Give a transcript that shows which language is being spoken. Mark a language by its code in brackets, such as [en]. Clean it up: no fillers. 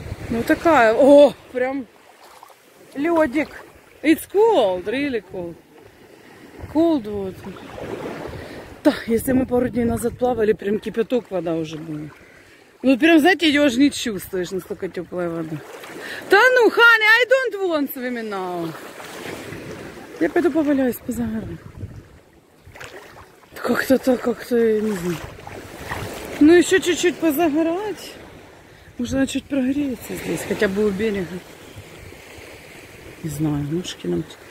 [ru] Ну такая, о, прям ледик. [en] It's cold, really cold. Cold вот. [ru] Да, если мы пару дней назад плавали, прям кипяток вода уже была. Ну прям, знаете, ее уже не чувствуешь, настолько теплая вода. Да ну, [en] honey, I don't want swim now. [ru] Я пойду поваляюсь по загару. Как-то так, как-то, я не знаю. Ну еще чуть-чуть позагорать. Можно чуть прогреться здесь, хотя бы у берега. Не знаю, ножки нам...